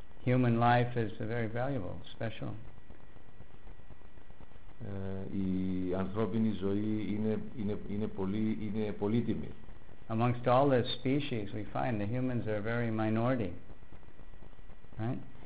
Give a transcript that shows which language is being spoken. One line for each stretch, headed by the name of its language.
English: Human life is very valuable, special.
Greek: Η ανθρώπινη ζωή είναι πολύτιμη.
English: Amongst all the species, we find the humans are very minority, right?